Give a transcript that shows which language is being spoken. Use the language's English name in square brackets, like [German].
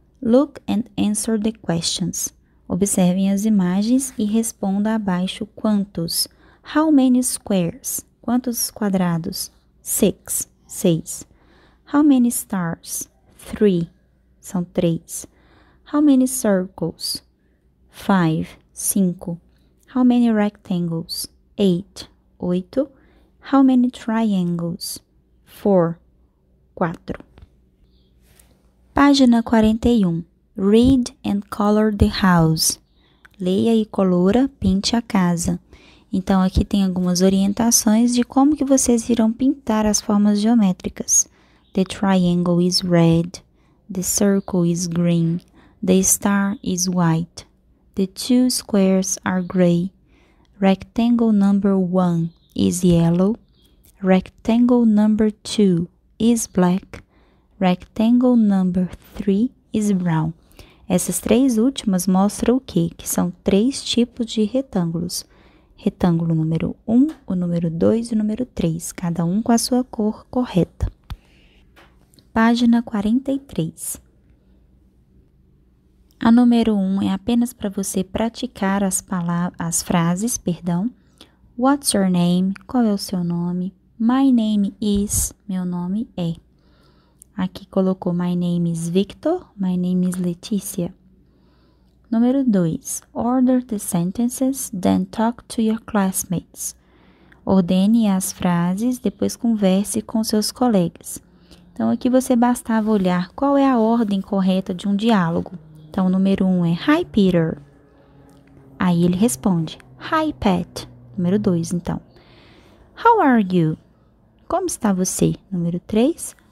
[English] Look and answer the questions. [Portuguese] Observem as imagens e responda abaixo quantos. [English] How many squares? [Portuguese] Quantos quadrados? [English] 6. 6. How many stars? 3. [Portuguese] São 3. [English] How many circles? 5. 5. How many rectangles? 8. 8. How many triangles? 4. 4. [Portuguese] Página 41. [English] Read and color the house. [Portuguese] Leia e colora, pinte a casa. Então, aqui tem algumas orientações de como que vocês irão pintar as formas geométricas. [English] The triangle is red. The circle is green. The star is white. The two squares are gray. Rectangle number one is yellow. Rectangle number two is black. Rectangle number 3 is brown. [Portuguese] Essas três últimas mostram o quê? Que são três tipos de retângulos. Retângulo número 1, o número 2 e o número 3, cada um com a sua cor correta. Página 43. A número 1 é apenas para você praticar as frases. [English] What's your name? [Portuguese] Qual é o seu nome? [English] My name is, [Portuguese] meu nome é. Aqui colocou [English] my name is Victor, my name is Letícia. [Portuguese] Número 2. [English] Order the sentences, then talk to your classmates. [Portuguese] Ordene as frases, depois converse com seus colegas. Então, aqui você bastava olhar qual é a ordem correta de um diálogo. Então, número 1 é [English] Hi, Peter. [Portuguese] Aí ele responde [English] Hi, Pat. [Portuguese] Número 2, então. [English] How are you? [Portuguese] Como está você? Número 3.